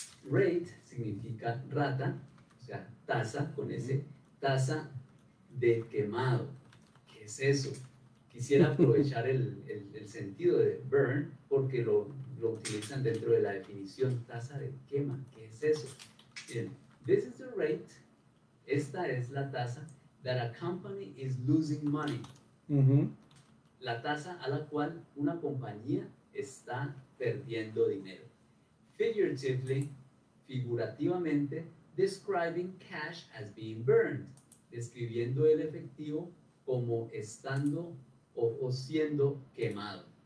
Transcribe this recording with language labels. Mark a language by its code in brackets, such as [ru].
[es] Rate significa rata, o sea, tasa, con ese, tasa de quemado. ¿Qué es eso? Quisiera aprovechar el sentido de burn, porque lo utilizan dentro de la definición, tasa de quema. ¿Qué es eso? [en] Bien, this is the rate, [es] esta es la tasa, [en] that a company is losing money. Uh-huh. [es] La tasa a la cual una compañía está perdiendo dinero. [en] Figuratively, [es] figurativamente, [en] describing cash as being burned, [es] describiendo el efectivo como estando o siendo quemado.